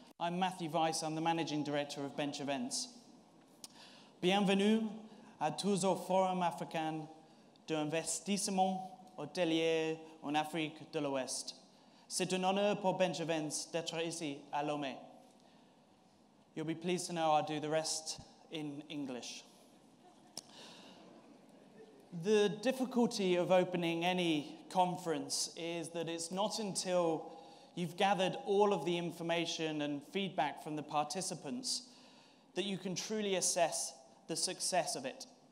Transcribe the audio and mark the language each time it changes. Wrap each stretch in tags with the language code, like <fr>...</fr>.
<en>I'm Matthew Weiss, I'm the Managing Director of Bench Events.</en> <fr>Bienvenue à tous au Forum Africain d'Investissement Hôtelier en Afrique de l'Ouest. C'est un honneur pour Bench Events d'être ici à Lomé.</fr> <en>You'll be pleased to know I'll do the rest in English. The difficulty of opening any conference is that it's not until you've gathered all of the information and feedback from the participants that you can truly assess the success of it.</en>